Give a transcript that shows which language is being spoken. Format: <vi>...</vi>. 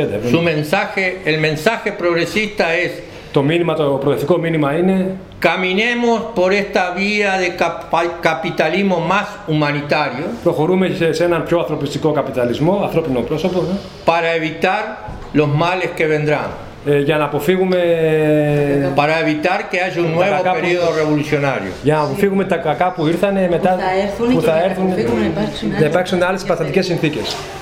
<es>Su mensaje, el mensaje progresista es.</es> <el>Το μήνυμα, το προοδευτικό μήνυμα είναι.</el> <es>Caminemos por esta vía de capitalismo más humanitario.</es> <el>Προχωρούμε σε έναν πιο ανθρωπιστικό καπιταλισμό, ανθρώπινο πρόσωπο. Ναι.</el> <es>Para evitar los males que vendrán.</es> <el>Για να αποφύγουμε.</el> <es>Para evitar que haya un nuevo periodo revolucionario.</es> <el>Για να αποφύγουμε τα κακά που ήρθαν μετά. Που θα έρθουν. Να υπάρξουν άλλες παθητικές συνθήκες.</el>